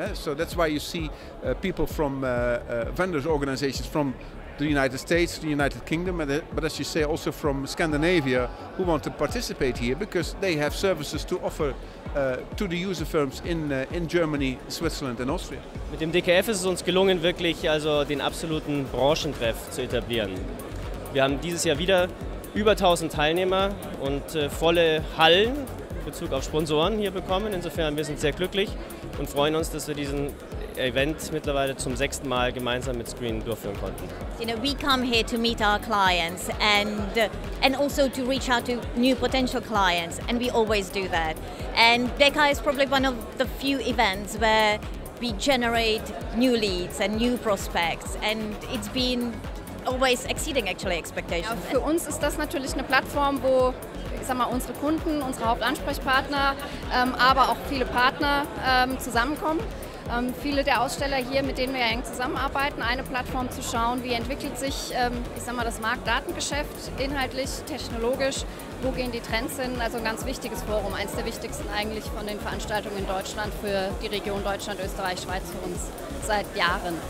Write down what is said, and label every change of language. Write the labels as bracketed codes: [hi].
[en] So that's why you see people from vendors organizations from the United States, the United Kingdom, but as you say, also from Scandinavia, who want to participate here because they have services to offer to the user firms in Germany, Switzerland and Austria. [de] Mit dem DKF ist es uns gelungen, wirklich also den absoluten Branchentreff zu etablieren. Wir haben dieses Jahr wieder über 1000 Teilnehmer und volle Hallen in Bezug auf Sponsoren hier bekommen. Insofern, wir sind sehr glücklich und freuen uns, dass wir diesen Event mittlerweile zum sechsten Mal gemeinsam mit Screen durchführen konnten. [en] You know, we come here to meet our clients and also to reach out to new potential clients, and we always do that. And DECA is probably one of the few events where we generate new leads and new prospects, and it's been always exceeding actually expectations. [de] Ja, für uns ist das natürlich eine Plattform, wo ich sag mal, unsere Kunden, unsere Hauptansprechpartner, aber auch viele Partner zusammenkommen. Viele der Aussteller hier, mit denen wir ja eng zusammenarbeiten, eine Plattform zu schauen, wie entwickelt sich ich sag mal, das Marktdatengeschäft inhaltlich, technologisch, wo gehen die Trends hin, also ein ganz wichtiges Forum, eins der wichtigsten eigentlich von den Veranstaltungen in Deutschland für die Region Deutschland, Österreich, Schweiz für uns seit Jahren.